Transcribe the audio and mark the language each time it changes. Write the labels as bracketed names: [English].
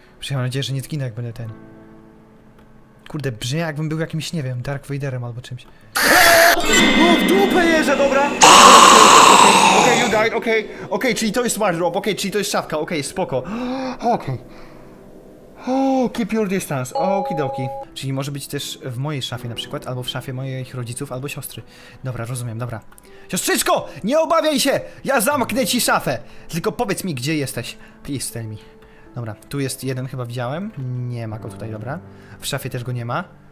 [Polish] Mam nadzieję, że nie zginę, jak będę ten. Kurde, brzmi jakbym był jakimś, nie wiem, Dark Vaderem albo czymś. O, w dupę jeżdżę, dobra. Okej, [English] you died, [Polish] okej, czyli to jest wardrobe, czyli to jest szafka, okej, spoko. Okej. [English] Oh, keep your distance, okidoki. [Polish] Czyli może być też w mojej szafie na przykład, albo w szafie moich rodziców, albo siostry. Dobra, rozumiem, dobra. Siostrzyczko, nie obawiaj się, ja zamknę ci szafę. Tylko powiedz mi, gdzie jesteś. [English] Please tell me. [Polish] Dobra, tu jest jeden, chyba widziałem. Nie ma go tutaj, dobra. W szafie też go nie ma.